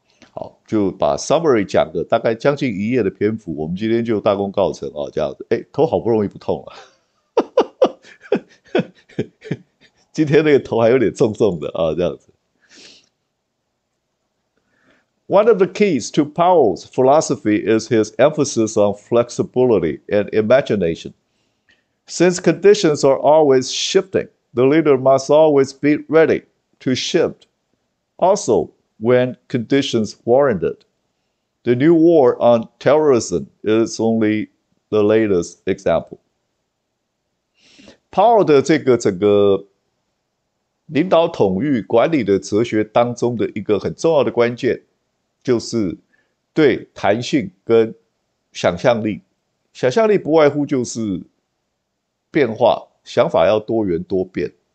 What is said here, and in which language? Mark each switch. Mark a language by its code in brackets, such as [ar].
[zh] 好，就把 summary 讲个大概将近一页的篇幅，我们今天就大功告成这样子，头好不容易不痛今天那个头还有点重重的这样子。 [en] One of the keys to Powell's philosophy is his emphasis on flexibility and imagination. Since conditions are always shifting, the leader must always be ready to shift, also when conditions warrant it. The new war on terrorism is only the latest example. [zh] Powell 的这个整个领导统御管理的哲学当中的一个很重要的关键，就是对弹性跟想象力。想象力不外乎就是变化，想法要多元多变。